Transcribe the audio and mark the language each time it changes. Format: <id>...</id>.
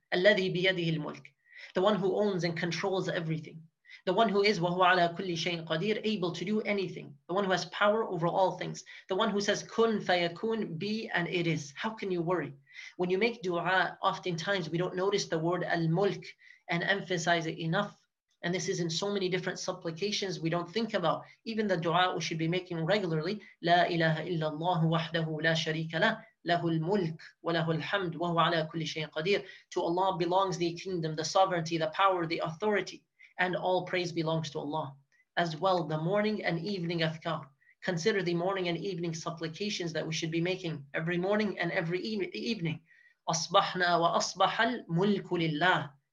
<ar>Alladhi biyadihi al-mulk,</ar> <en>the one who owns and controls everything, the one who is</en> <ar>wa huwa ala kulli shay'in qadir,</ar> <en>able to do anything, the one who has power over all things, the one who says</en> <ar>kun fayakun,</ar> <en>be and it is. How can you worry? When you make dua, oftentimes we don't notice the word al-mulk and emphasize it enough. And this is in so many different supplications we don't think about. Even the dua we should be making regularly,</en> <ar>لا إله إلا الله وحده لا شريك له له الملك وله الحمد وهو على كل شيء قدير.</ar> <en>To Allah belongs the kingdom, the sovereignty, the power, the authority, and all praise belongs to Allah. As well, the morning and evening adhkar. Consider the morning and evening supplications that we should be making every morning and every evening.</en> <ar>أصبحنا وأصبح الملك لله.</ar>